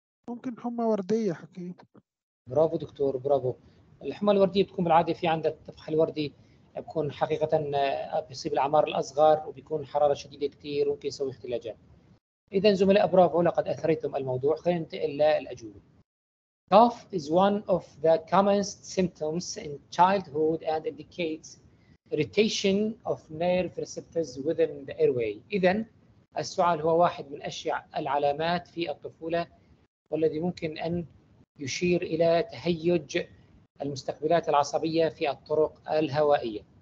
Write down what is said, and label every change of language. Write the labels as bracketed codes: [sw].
[ar] ممكن حمى وردية حقيقي. برافو دكتور، برافو. الحمى الوردية بتكون بالعادة في عندها الطفح الوردي، بيكون حقيقة بيصيب الأعمار الأصغر، وبيكون حرارة شديدة كتير، ممكن يسوي اختلاجات. إذا زملاء برافو، لقد أثريتم الموضوع. خلينا ننتقل للأجوبة. [en] Cough is one of the commonest symptoms in childhood and indicates irritation of nerve receptors within the airway. [ar] إذا السعال هو واحد من أشيع العلامات في الطفولة، والذي ممكن أن يشير إلى تهيج المستقبلات العصبية في الطرق الهوائية.